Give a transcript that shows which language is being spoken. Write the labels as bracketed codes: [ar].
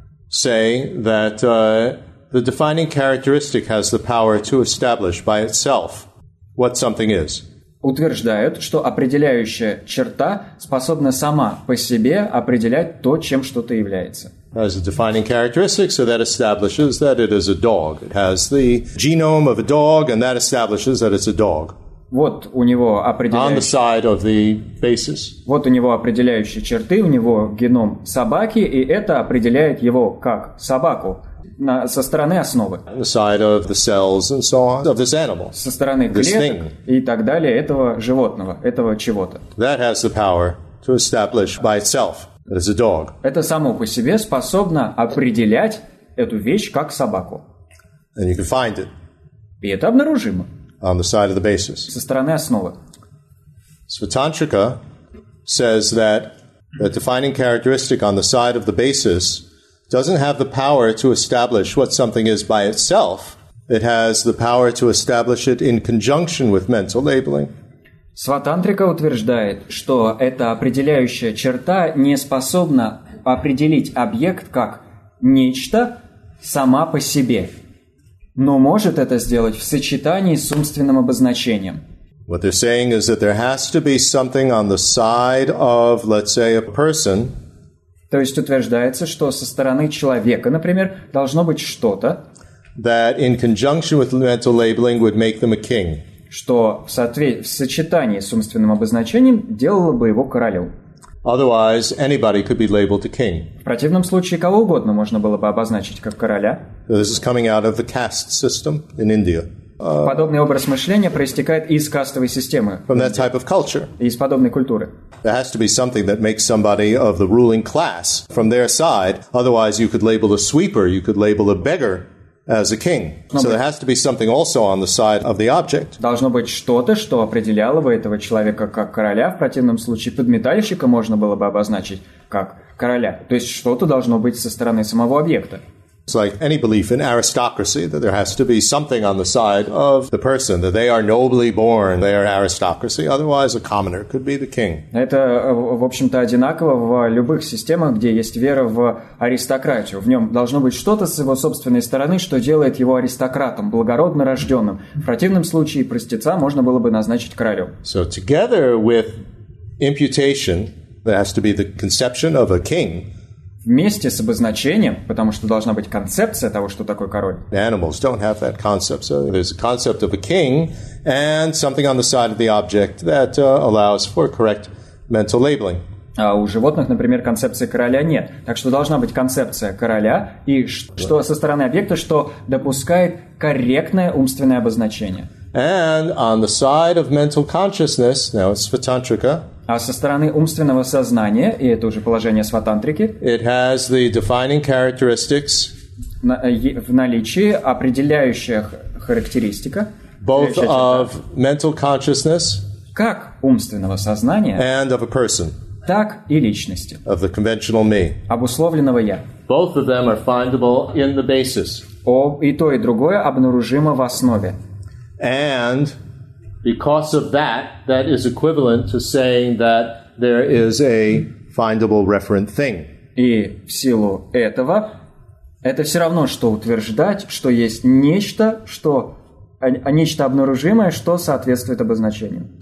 [en] say that the defining characteristic has the power to establish by itself what something is. [ru] Утверждают, что определяющая черта способна сама по себе определять то, чем что-то является. [en] As a defining characteristic, so that establishes that it is a dog. It has the genome of a dog, and that establishes that it's a dog. [ru] Вот у него определяющие... [en] On the side of the basis. [ru] Вот у него определяющие черты, у него геном собаки, и это определяет его как собаку. Со стороны основы. [en] The side of the cells and so on, of this animal, [ru] со стороны клеток и так далее, этого животного, этого чего-то. [en] That has the power to establish by itself as a dog. [ru] Это само по себе способно определять эту вещь как собаку. [en] And you can find it. [ru] И это обнаружимо. [en] On the side of the basis. [ru] Со стороны основы. [en] Svatantrika says that the defining characteristic on the side of the basis doesn't have the power to establish what something is by itself. It has the power to establish it in conjunction with mental labeling. [ru] Сватантрика утверждает, что эта определяющая черта не способна определить объект как нечто сама по себе, но может это сделать в сочетании с умственным обозначением. [en] What they're saying is that there has to be something on the side of, let's say, a person. [ru] То есть утверждается, что со стороны человека, например, должно быть что-то, [en] that in conjunction with mental labeling would make them a king. [ru] Что в сочетании с умственным обозначением делало бы его королем. [en] Otherwise, anybody could be labeled a king. [ru] В противном случае кого угодно можно было бы обозначить как короля. [en] This is coming out of the caste system in India. [ru] Подобный образ мышления проистекает из кастовой системы. [en] From that type of culture. [ru] Из подобной культуры. [en] There has to be something that makes somebody of the ruling class from their side. Otherwise, you could label a sweeper, you could label a beggar as a king. So there has to be something also on the side of the object. [ru] Должно быть что-то, что определяло бы этого человека как короля. В противном случае подметальщика можно было бы обозначить как короля. То есть что-то должно быть со стороны самого объекта. [en] It's like any belief in aristocracy, that there has to be something on the side of the person, that they are nobly born, they are aristocracy. Otherwise, a commoner could be the king. [ru] Это, в общем-то, одинаково в любых системах, где есть вера в аристократию. В нем должно быть что-то с его собственной стороны, что делает его аристократом, благородно рожденным. В противном случае простеца можно было бы назначить королем. [en] So together with imputation, there has to be the conception of a king. [ru] Вместе с обозначением, потому что должна быть концепция того, что такое король. [en] Animals don't have that concept. So there's a concept of a king, and something on the side of the object that allows for correct mental labeling. [ru] А у животных, например, концепции короля нет. Так что должна быть концепция короля и что со стороны объекта, что допускает корректное умственное обозначение. [en] And on the side of mental consciousness, now it's svatantrika. [ru] А со стороны умственного сознания, и это уже положение сватантрики, [en] it has the defining characteristics, [ru] в наличии определяющая характеристика, [en] both of mental consciousness, [ru] как умственного сознания, [en] and of a person, [ru] так и личности, [en] of the conventional me, [ru] обусловленного я. [en] Both of them are findable in the basis. [ru] И то, и другое обнаружимо в основе. [en] And because of that, that is equivalent to saying that there is a findable referent thing. [ru] И в силу этого, это все равно, что утверждать, что есть нечто, что нечто обнаружимое, что соответствует обозначению.